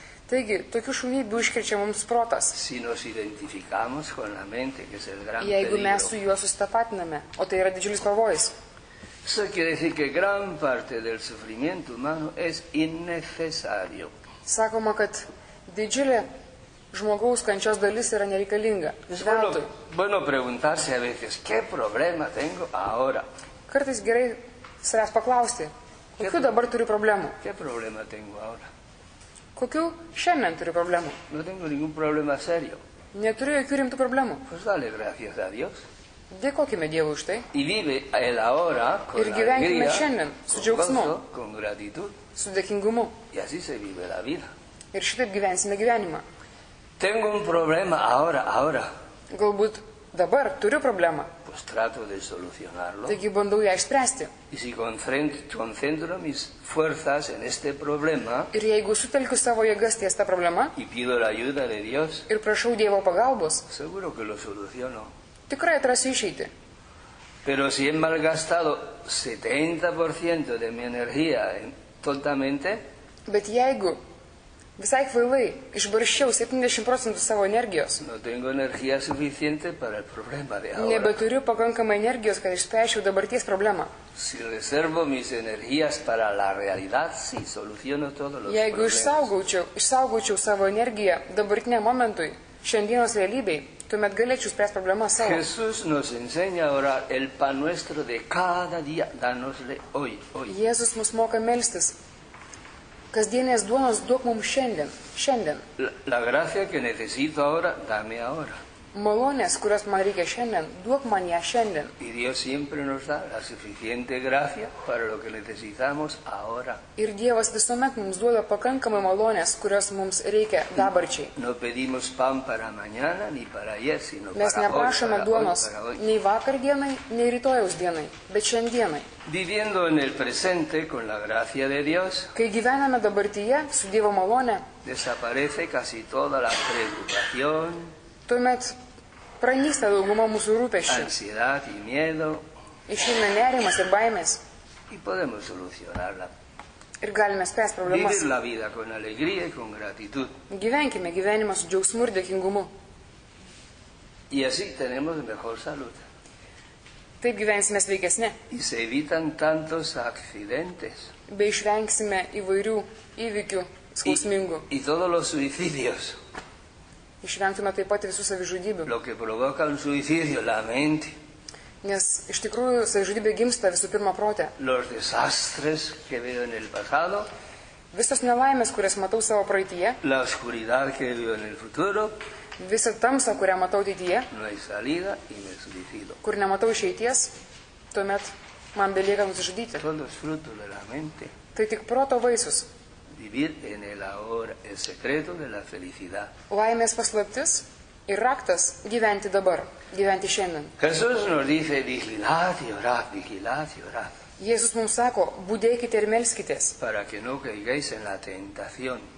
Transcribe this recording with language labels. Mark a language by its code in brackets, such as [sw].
[lt] Taigi, tokių šunybių iškrečia mums protas. [es] Si nos identificamos con la mente, que es el gran [lt] Jeigu [es] peligro. [lt] Mes su juo susitapatiname, o tai yra didžiulis pavojus. [es] Eso quiere decir que gran parte del sufrimiento humano es innecesario. [lt] Sakoma, kad didžiulė žmogaus kančios dalis yra nereikalinga. [es] Bueno, preguntarse a veces, ¿qué problema tengo ahora? [lt] Kartais gerai savęs paklausti, kokiu dabar turiu problemų? [es] ¿Qué problema tengo ahora? [lt] Kokiu šiandien turiu problemų? [es] No tengo ningún problema serio. [lt] Neturiu jokių rimtų problemų. [es] Pues dale gracias a Dios. [lt] Dėkokime Dievui už tai. [es] Y vive el ahora con [lt] ir gyvenkime [es] alegría, [lt] šiandien su džiaugsmu, [es] con gratitud, [lt] su dėkingumu. [es] Y así se vive la vida. [lt] Ir šitaip gyvensime gyvenimą. [es] Tengo un problema ahora. [lt] Galbūt dabar turiu problemą. [es] Pues trato de solucionarlo. [lt] Taigi bandau ją išspręsti. [es] Y si concentro mis fuerzas en este problema. [lt] Ir jeigu sutelkiu savo jėgas ties tą problemą. [es] Y pido la ayuda de Dios. [lt] Ir prašau Dievo pagalbos. [es] Seguro que lo soluciono. [lt] Tikrai atrasiu išeitį. [es] Pero si he malgastado 70% de mi energía totalmente. [lt] Bet jeigu visai kvailai išbarščiau 70% savo energijos. [es] No tengo energía suficiente para el problema de ahora. [lt] Nebeturiu pakankamai energijos, kad išspręsčiau dabarties problemą. [es] Si reservo mis energías para la realidad, sí, soluciono todos los [lt] jeigu [es] problemas. [lt] Išsaugočiau savo energiją dabartiniam momentui, šiandienos realybei, tuomet galėčiau spręsti problemą savo. [es] Jesus nos enseña a orar el pan nuestro de cada día, danosle hoy. [lt] Jesus mus moka melstis. Kasdienės duonos duok mums šiandien. [es] La gracia que necesito ahora, dame ahora. [lt] Malonės, kurios man reikia šiandien, duok man ją šiandien. [es] Y Dios siempre nos da la suficiente gracia para lo que necesitamos ahora. [lt] Ir Dievas visuomet mums duoda pakankamai malonės, kurios mums reikia dabarčiai. [es] No pedimos pan para mañana ni para ayer, sino para hoy. [lt] Mes neprašome duonos nei vakar dienai, nei rytojaus dienai, bet šiandienai. [es] Viviendo en el presente con la gracia de Dios. [lt] Kai gyvename dabartyje su Dievo malone. [es] Desaparece casi toda la preocupación. [lt] Tuomet pranyksta dauguma mūsų rūpesčių. [es] Ansiedad y miedo. [lt] Išeina nerimas ir baimės. [es] Y podemos solucionarla. [lt] Ir galime spręsti problemas. [es] Vivir la vida con alegría y con gratitud. [lt] Gyvenkime gyvenimą su džiaugsmu ir dėkingumu. [es] Y así tenemos mejor salud. [lt] Taip gyvensime sveikesnė. [es] Y se evitan tantos accidentes. [lt] Bei išvengsime įvairių įvykių skausmingų. [es] Y todos los suicidios. [lt] Išvengtume taip pat visų savižudybių. [es] Lo que provoca un suicidio, la mente. [lt] Nes iš tikrųjų savižudybė gimsta visų pirma protė. [es] Los desastres que veo en el pasado. [lt] Visos nelaimės, kurias matau savo praeityje. [es] La oscuridad que veo en el futuro. [lt] Visa tamsa, kurią matau ateityje. [es] No hay salida y me suicido. [lt] Kur nematau išeities, tuomet man belieka nusižudyti. [es] Son los frutos de la mente. [lt] Tai tik proto vaisius. [es] Vivir en el ahora, el secreto de la felicidad. [lt] Laimės paslaptis ir raktas gyventi dabar, gyventi šiandien. [es] Jesus nos dice, vigilad y orad. [lt] Jesus mums sako, budėkite ir melskitės. [es] Para que no caigáis en la tentación.